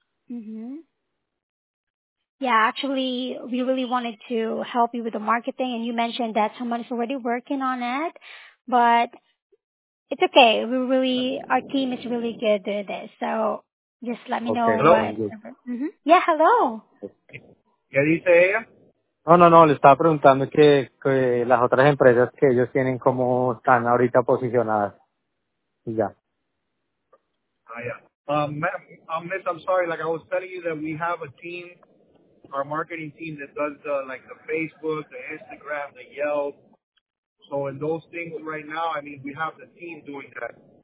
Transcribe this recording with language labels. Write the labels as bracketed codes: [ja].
[en] Yeah, actually, we really wanted to help you with the marketing, and you mentioned that someone is already working on it, but it's okay. We really, our team is really good at this, so just let me okay. know. Hello. Yeah, hello. [es] ¿Qué dice ella? No, le estaba preguntando que las otras empresas que ellos tienen, cómo están ahorita posicionadas, y ya. [en] I'm sorry, like I was telling you that we have a team, our marketing team that does the Facebook, the Instagram, the Yelp. So in those things right now, I mean, we have the team doing that.